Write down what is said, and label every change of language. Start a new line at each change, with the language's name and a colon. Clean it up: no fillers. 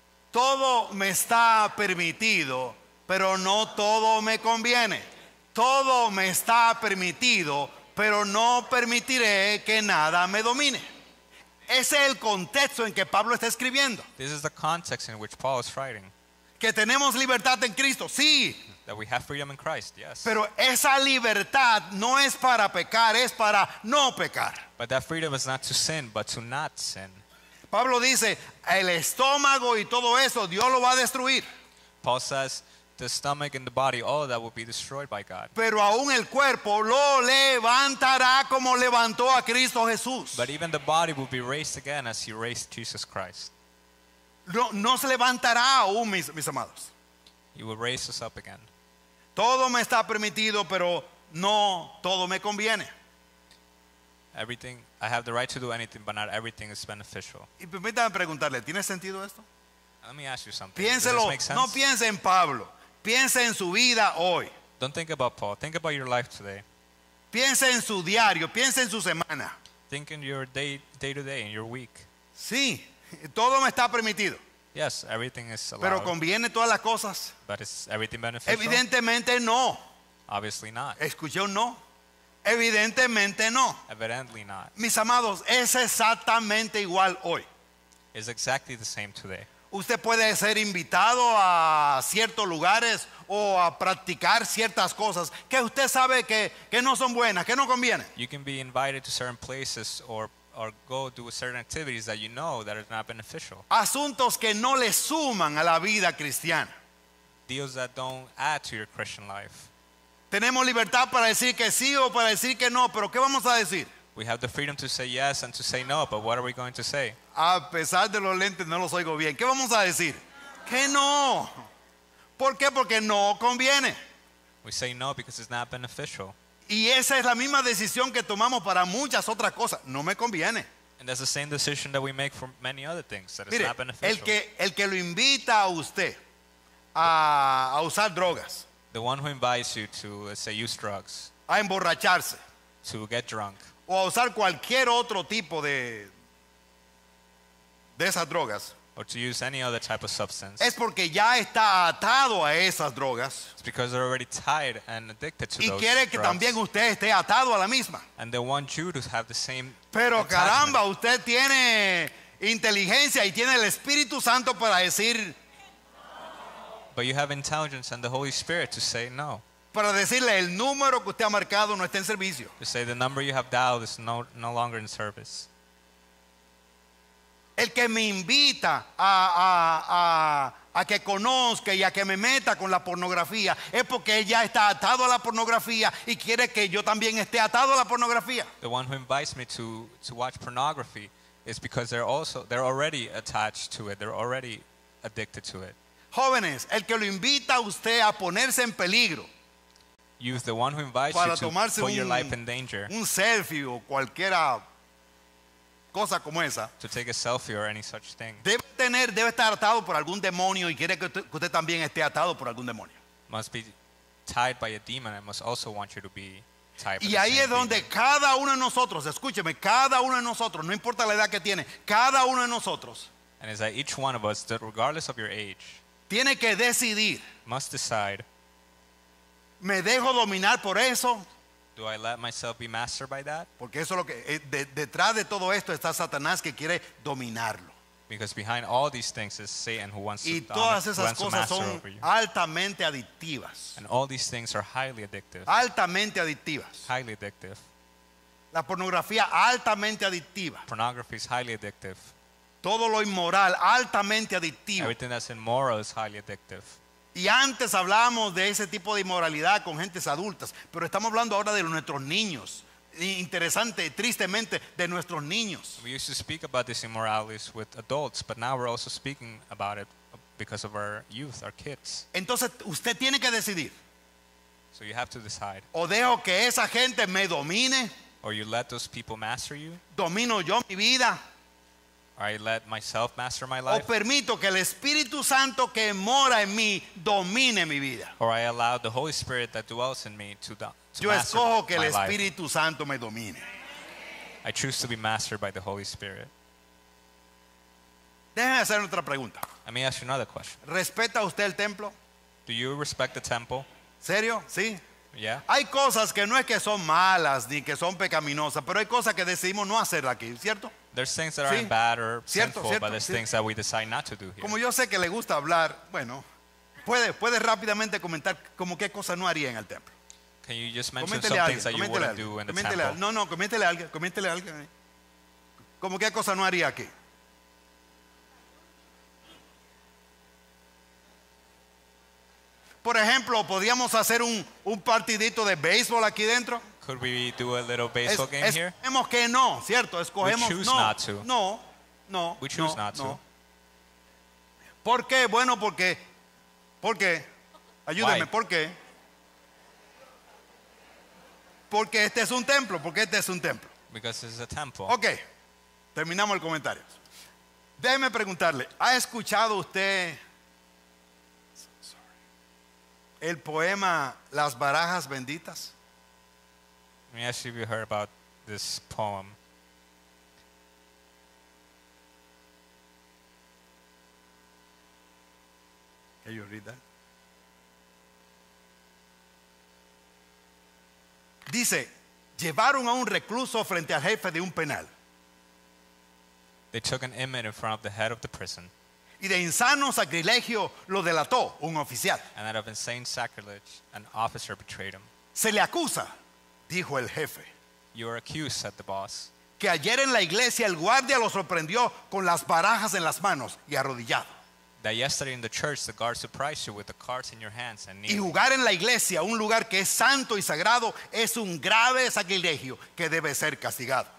Spanish: Todo me está permitido, pero no todo me conviene. Todo me está permitido, pero no permitiré que nada me domine. Ese es el contexto en que Pablo está escribiendo.
English: This is the context in which Paul is writing.
Spanish: Que tenemos libertad en Cristo, sí.
English: That we have freedom in Christ, yes.
Spanish: Pero esa libertad no es para pecar, es para no pecar.
English: But that freedom is not to sin, but to not sin.
Spanish: Pablo dice, el estómago y todo eso, Dios lo va a destruir.
English: Paul says, the stomach and the body, all of that will be destroyed by God.
Spanish: Pero aún el cuerpo lo levantará como levantó a Cristo Jesús.
English: But even the body will be raised again as he raised Jesus Christ.
Spanish: No se levantará aún, mis amados.
English: He will raise us up again.
Spanish: Todo me está permitido, pero no todo me conviene.
English: Everything, I have the right to do anything, but not everything is beneficial.
Spanish: Y permítame preguntarle, ¿tiene sentido esto?
English: Let me ask you something.
Spanish: Piénselo. No piense en Pablo. Piense en su vida hoy.
English: Don't think about Paul. Think about your life today.
Spanish: Piense en su diario. Piense en su semana.
English: Think in your day to day, in your week.
Spanish: Sí, todo me está permitido.
English: Yes, everything is allowed.
Spanish: Pero conviene todas las cosas.
English: But is everything beneficial?
Spanish: Evidentemente no.
English: Obviously not.
Spanish: Escuché un no. Evidentemente no.
English: Evidently not.
Spanish: Mis amados, es exactamente igual hoy.
English: It's exactly the same today.
Spanish: Usted puede ser invitado a ciertos lugares o a practicar ciertas cosas que usted sabe que no son buenas, que no convienen.
English: You can be invited to certain places or go to certain activities that you know that are not beneficial.
Spanish: Asuntos que no le suman a la vida cristiana.
English: Deals that don't add to your Christian life.
Spanish: Tenemos libertad para decir que sí o para decir que no, pero ¿qué vamos a decir?
English: We have the freedom to say yes and to say no, but what are we going to say?
Spanish: A pesar de los lentes, no los oigo bien. ¿Qué vamos a decir? Que no. ¿Por qué? Porque no conviene.
English: We say no because it's not beneficial.
Spanish: Y esa es la misma decisión que tomamos para muchas otras cosas. No me conviene.
English: And that's the same decision that we make for many other things that
Spanish: mire,
English: is not beneficial.
Spanish: El que lo invita a usted a usar drogas.
English: The one who invites you to, let's say, use drugs.
Spanish: A emborracharse.
English: To get drunk.
Spanish: O a usar cualquier otro tipo de esas drogas.
English: Or to use any other type of substance.
Spanish: Es porque ya está atado a esas drogas.
English: It's because they're already tied and addicted to those drugs.
Spanish: Y quiere que también usted esté atado a la misma.
English: And they want you to have the same.
Spanish: Pero caramba, usted tiene inteligencia y tiene el Espíritu Santo para decir.
English: But you have intelligence and the Holy Spirit to say no.
Spanish: Para decirle el número que usted ha marcado no está en servicio.
English: To say the number you have dialed is no longer in service.
Spanish: El que me invita a que conozca y a que me meta con la pornografía es porque ella está atado a la pornografía y quiere que yo también esté atado a la pornografía.
English: The one who invites me to watch pornography is because they're already attached to it. They're already addicted to it.
Spanish: Jóvenes, el que lo invita a usted a ponerse en peligro.
English: Use the one who invites you to put your life in danger.
Spanish: Un selfie o cualquiera cosa como esa.
English: To take a selfie or any such thing.
Spanish: Debe estar atado por algún demonio y quiere que usted también esté atado por algún demonio.
English: Must be tied by a demon. I must also want you to be tied.
Spanish: Y ahí es donde cada uno de nosotros, escúcheme, cada uno de nosotros, no importa la edad que tiene, cada uno de nosotros.
English: And it's that each one of us, that regardless of your age,
Spanish: tiene que decidir.
English: Must decide.
Spanish: ¿Me dejo dominar por eso?
English: Do I let myself be mastered by that?
Spanish: Porque eso es lo que detrás de todo esto está Satanás que quiere dominarlo.
English: Because behind all these things is Satan who wants to master over you.
Spanish: Y todas esas cosas son altamente adictivas.
English: And all these things are highly addictive.
Spanish: Altamente adictivas.
English: Highly addictive.
Spanish: La pornografía altamente adictiva.
English: Pornography is highly addictive.
Spanish: Todo lo inmoral altamente adictivo.
English: Everything that's immoral is highly addictive.
Spanish: Y antes hablábamos de ese tipo de inmoralidad con gentes adultas, pero estamos hablando ahora de nuestros niños. Interesante, tristemente, de nuestros niños.
English: We used to speak about this immorality with adults, but now we're also speaking about it because of our youth, our kids.
Spanish: Entonces, usted tiene que decidir.
English: So you have to decide.
Spanish: O dejo que esa gente me domine.
English: Or you let those people master you.
Spanish: Domino yo mi vida.
English: I let myself master my life.
Spanish: O permito que el Espíritu Santo que mora en mí domine mi vida.
English: Or I allow the Holy Spirit that dwells in me to master my life.
Spanish: Yo escojo que el Espíritu Santo me domine.
English: I choose to be mastered by the Holy Spirit.
Spanish: Déjame hacer otra pregunta.
English: Let me ask you another question.
Spanish: ¿Respeta usted el templo?
English: Do you respect the temple?
Spanish: ¿Serio? Sí.
English: Yeah.
Spanish: Hay cosas que no es que son malas ni que son pecaminosas, pero hay cosas que decidimos no hacer aquí, ¿cierto?
English: There's things that aren't bad or
Spanish: cierto,
English: sinful,
Spanish: cierto,
English: but there's things that we decide not to do here.
Spanish: Como yo sé que le gusta hablar, bueno, puede rápidamente comentar como qué cosas no haría en el templo.
English: Can you just mention
Spanish: coméntele
English: some things
Spanish: alguien,
English: that you wouldn't
Spanish: alguien,
English: do in the temple?
Spanish: No, coméntele a alguien, Como qué cosas no haría aquí. Por ejemplo, podríamos hacer un partidito de béisbol aquí dentro.
English: Could we do a little baseball game here?
Spanish: Escogemos que no, ¿cierto? Escogemos
English: we choose no. Not to.
Spanish: No. No.
English: We choose no, not to.
Spanish: ¿Por qué? Bueno, porque ayúdame,
English: why?
Spanish: ¿Por qué? Porque este es un templo, porque este es un templo.
English: Because this is a temple.
Spanish: Okay. Terminamos el comentario. Déjeme preguntarle, ¿ha escuchado usted el poema Las Barajas Benditas?
English: Let me ask you if you heard about this poem. Can you read that?
Spanish: Dice, llevaron a un recluso frente al jefe de un penal.
English: They took an inmate in front of the head of the prison.
Spanish: Y de insano sacrilegio lo delató un oficial.
English: And out of insane sacrilege, an officer betrayed him.
Spanish: Se le acusa. Dijo el jefe.
English: You are accused, said the boss.
Spanish: Que ayer en la iglesia el guardia lo sorprendió con las barajas en las manos y arrodillado.
English: That yesterday in the church the guard surprised you with the cards in your hands and kneeling.
Spanish: Y jugar en la iglesia, un lugar que es santo y sagrado, es un grave sacrilegio que debe ser castigado.